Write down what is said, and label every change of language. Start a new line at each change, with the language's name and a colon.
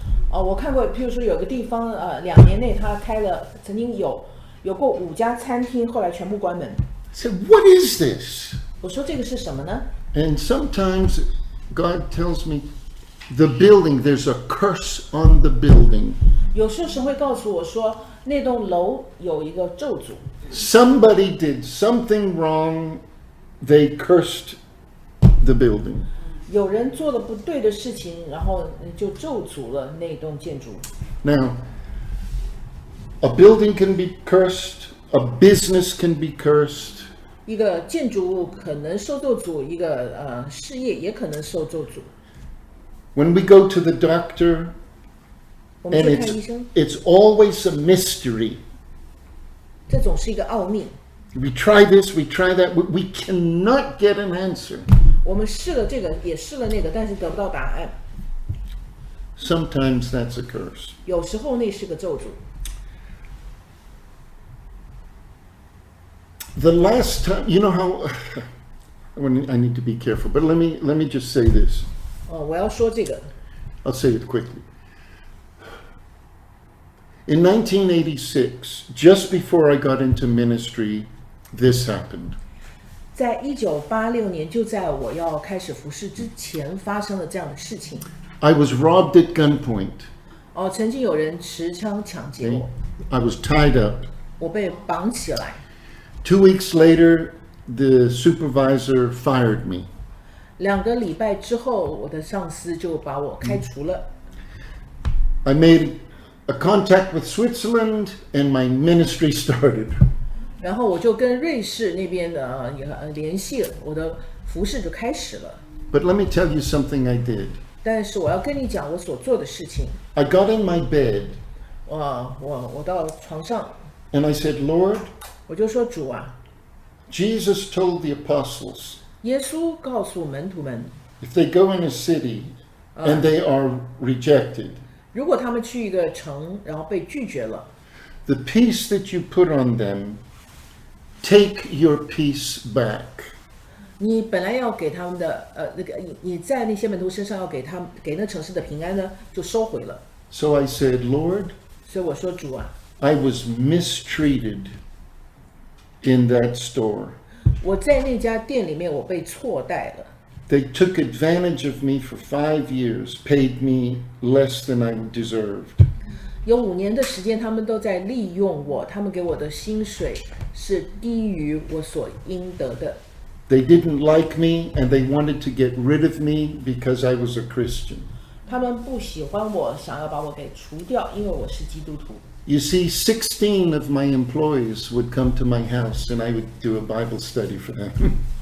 Chinese: 我看过，譬如说有个地方，两年内他开了，曾经有过五家餐厅，后来全部关门。
English: I said, "What is this?"
Chinese: 我说这个是什么呢？
English: And sometimes God tells me, "The building, there's a curse on the building."
Chinese: 有时候神会告诉我说，那栋楼有一个咒诅。
English: Somebody did something wrong. They cursed the building.
Chinese: 有人做了不对的事情，然后就咒诅了那栋建筑。
English: Now, a building can be cursed, a business can be cursed.
Chinese: 一个建筑物可能受咒诅，一个事业也可能受咒诅。
English: When we go to the doctor, and it's always a mystery.
Chinese: 这总是一个奥秘。
English: We try this, we try that, we cannot get an answer.
Chinese: 我们试了这个，也试了那个，但是得不到答案。
English: Sometimes that's a curse.
Chinese: 有时候那是个咒诅。
English: The last time, you know how, I need to be careful, but let me just say this.
Chinese: 我要说这个。
English: I'll say it quickly. In 1986, just before I got into ministry, this happened.
Chinese: 在1986年，就在我要开始服事之前，发生了这样的事情。
English: I was robbed at gunpoint.
Chinese: 曾经有人持枪抢劫我。
English: I was tied up.
Chinese: 我被绑起来。
English: 2 weeks later, the supervisor fired me.
Chinese: 两个礼拜之后，我的上司就把我开除了。
English: I made a contact with Switzerland, and my ministry started.
Chinese: 然后我就跟瑞士那边的联系了，我的服事就开始了。
English: But let me tell you something I did.
Chinese: 但是我要跟你讲我所做的事情。
English: I got in my bed.
Chinese: 我到床上。
English: And I said, Lord.
Chinese: 我就说主啊
English: Jesus told the apostles
Chinese: 耶稣告诉门徒们
English: If they go in a city and they are rejected
Chinese: 如果他们去一个城然后被拒绝了
English: The peace that you put on them take your peace back
Chinese: 你本来要给他们的你在那些门徒身上要给他们给那城市的平安呢就收回了
English: So I said Lord
Chinese: 所以我说主啊
English: I was mistreated in that store.
Chinese: 我在那家店里面我被错待了。
English: They took advantage of me for 5 years, paid me less than I deserved.
Chinese: 有五年的时间他们都在利用我他们给我的薪水是低于我所应得的。
English: They didn't like me and they wanted to get rid of me because I was a Christian.
Chinese: 他们不喜欢我想要把我给除掉因为我是基督徒。
English: You see, 16 of my employees would come to my house and I would do a Bible study for them.